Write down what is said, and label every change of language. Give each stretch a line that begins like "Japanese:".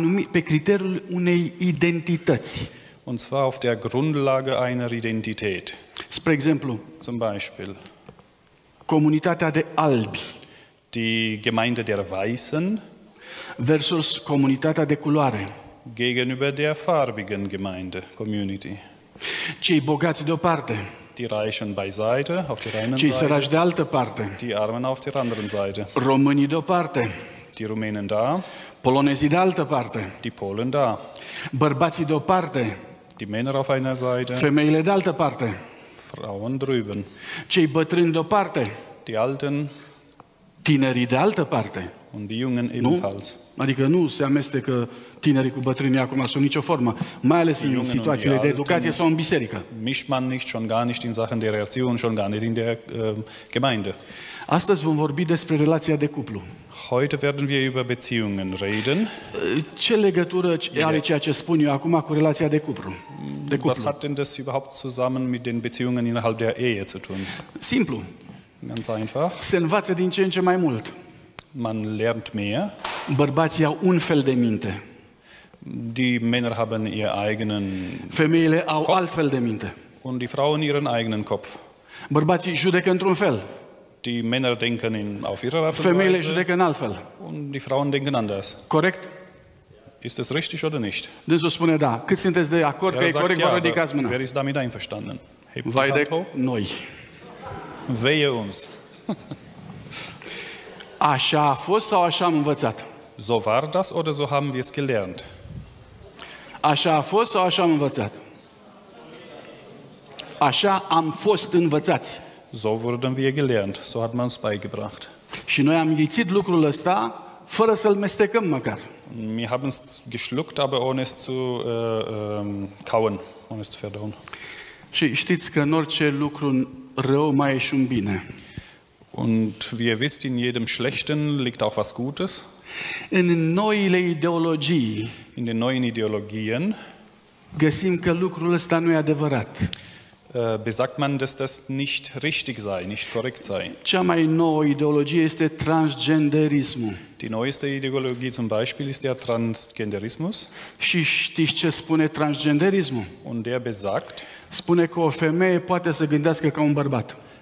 Romanian: Pe criteriul unei identități.
German: Und zwar auf der Grundlage einer Identität.
Romanian: Spre exemplu,
German: zum Beispiel,
Romanian: comunitatea de albi,
German: die Gemeinde der Weißen,
Romanian: versus comunitatea de culoare,
German: gegenüber der farbigen Gemeinde, Community.
Romanian: Cei bogați de o parte,
German: die Reichen beiseite, auf der einen
Romanian: Seite, cei săraci de altă parte,
German: die Armen auf der anderen Seite,
Romanian: românii de o parte,
German: die Rumänen da,
Romanian: polonezii de altă parte,
German: die Polen da,
Romanian: bărbații de o parte,
German: die Männer auf einer Seite,
Romanian: femeile de altă parte,
German: Frauen drüben,
Romanian: cei bătrâni de o parte,
German: die Alten,
Romanian: tinerii de altă parte,
German: und die Jungen ebenfalls.
Romanian: Nu? Adică nu se amestecă tinerii cu bătrânii acum sub nicio formă, mai ales în situațiile de educație sau în biserică.
German: Mischt man nicht, schon gar nicht in Sachen der Erziehung, schon gar nicht in der Gemeinde.
Romanian: Astăzi vom vorbi despre relația de cuplu.
German: Heute werden wir über Beziehungen reden.
Romanian: Ce legătură are ceea ce spun eu acum cu relația de cuplu?
German: Was hat denn das überhaupt zusammen mit den Beziehungen innerhalb der Ehe zu tun?
Romanian: Simplu.
German: Ganz einfach.
Romanian: Se învață din ce în ce mai mult.
German: Man lernt mehr.
Romanian: Bărbații au un fel de minte.
German: Die Männer haben ihr eigenen
Romanian: Femeile au alt fel de minte.
German: Und die Frauen ihren eigenen Kopf.
Romanian: Bărbații judecă într-un fel.
German: Die Männer denken auf ihre Art und Weise.
Romanian: Femeile judecă în alt fel.
German: Und die Frauen denken anders.
Romanian: Corect?
German: Ist es richtig oder nicht?
Romanian: Dânsul spune da. Cât sunteți de acord că e corect, vă ridicați mâna.
German: Wer ist damit einverstanden?
Romanian: Vai de noi.
German: Wehe uns.
Romanian: Așa a fost sau așa am învățat?
German: So war das oder so haben wir es gelernt?
Romanian: Așa a fost sau așa am învățat? Așa am fost învățați.
German: So wurden wir gelernt, so hat man es beigebracht.
Romanian: Și noi am ghițit lucrul ăsta fără să-l mestecăm măcar.
German: Wir haben es geschluckt, aber ohne es zu kauen, ohne es zu verdauen.
Romanian: Și știți că în orice lucru rău mai e și un bine.
German: Und wie ihr wisst, in jedem Schlechten liegt auch was Gutes.
Romanian: In noile ideologii,
German: in den neuen Ideologien,
Romanian: găsim că lucrul ăsta nu e adevărat.
German: Besagt man, dass das nicht richtig sei, nicht korrekt sei.
Romanian: Cea mai nouă ideologie este transgenderismul.
German: Die neueste Ideologie zum Beispiel ist der Transgenderismus.
Romanian: Și știți ce spune transgenderismul?
German: Und der besagt,
Romanian: spune că o femeie poate să gândească ca un bărbat.